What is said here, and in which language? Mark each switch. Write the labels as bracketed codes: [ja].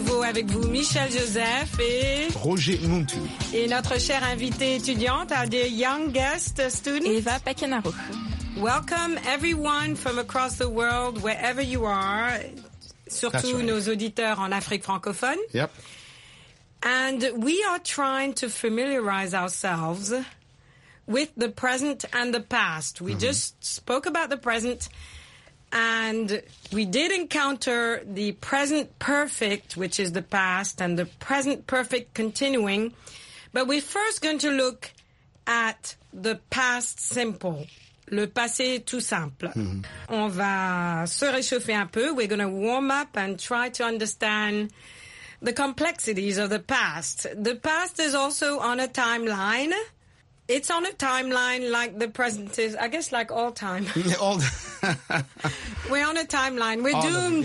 [fr] Avec vous, Michel Joseph et Roger Muntu. Et notre chère invitée étudiante, [en] our dear young guest student, [fr] Eva Pekinaru. [en] Welcome everyone from across the world, wherever you are, [fr] surtout [en] right. [fr] Nos auditeurs en Afrique francophone. [en] Yep. And we are trying to familiarize ourselves with the present and the past. We just spoke about the present. And we did encounter the present perfect, which is the past, and the present perfect continuing. But we're first going to look at the past simple, [fr] le passé tout simple. Mm-hmm. On va se réchauffer un peu. [en] We're going to warm up and try to understand the complexities of the past. The past is also on a timeline. It's on a timeline like the present is, I guess, like all time. We're on a timeline. We're all doomed.